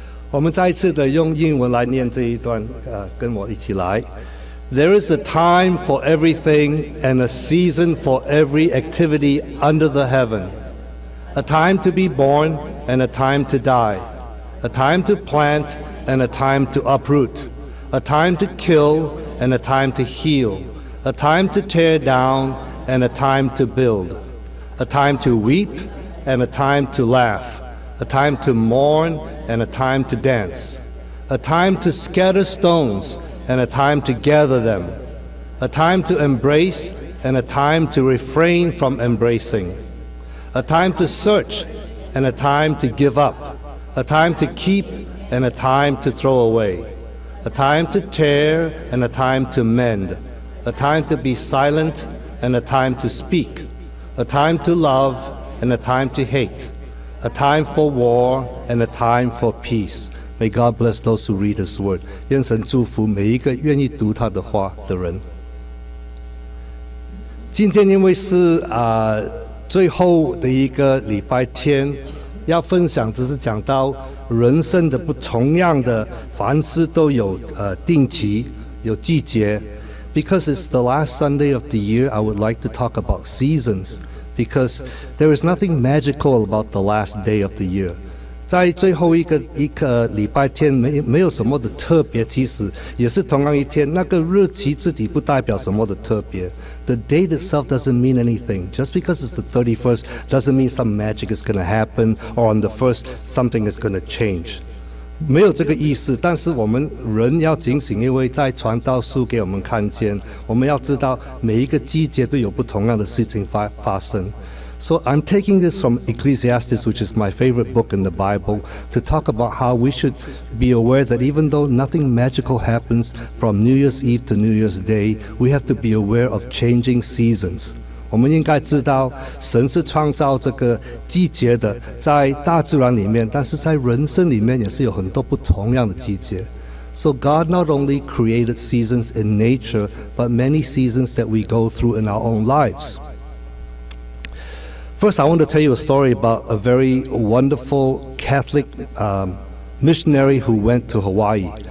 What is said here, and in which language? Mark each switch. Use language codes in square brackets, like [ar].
[zh] 我们再一次的用英文来念这一段，跟我一起来。 [en] There is a time for everything and a season for every activity under the heaven. A time to be born and a time to die. A time to plant and a time to uproot. A time to kill and a time to heal. A time to tear down and a time to build. A time to weep and a time to laugh. A time to mourn and a time to dance. A time to scatter stones and a time to gather them. A time to embrace and a time to refrain from embracing. A time to search and a time to give up. A time to keep and a time to throw away. A time to tear and a time to mend. A time to be silent and a time to speak. A time to love and a time to hate. A time for war and a time for peace. May God bless those who read His word. [zh] 愿神祝福每一个愿意读他的话的人。今天因为是最后的一个礼拜天，要分享只是讲到人生的不同样的，凡事都有定期，有季节。 [en] Because it's the last Sunday of the year, I would like to talk about seasons. Because there is nothing magical about the last day of the year. [zh] 在最后一个礼拜天没有什么的特别，其实也是同样一天，那个日期自己不代表什么的特别。 [en] The date itself doesn't mean anything. Just because it's the 31st doesn't mean some magic is going to happen or on the 1st something is going to change. [zh] 没有这个意思，但是我们人要警醒，因为在传道书给我们看见，我们要知道每一个季节都有不同样的事情发生。 [en] So I'm taking this from Ecclesiastes, which is my favorite book in the Bible, to talk about how we should be aware that even though nothing magical happens from New Year's Eve to New Year's Day, we have to be aware of changing seasons. [zh] 我们应该知道神是创造这个季节的，在大自然里面，但是在人生里面也是有很多不同样的季节。 [en] So God not only created seasons in nature but many seasons that we go through in our own lives. First, I want to tell you a story about a very wonderful Catholic missionary who went to Hawaii.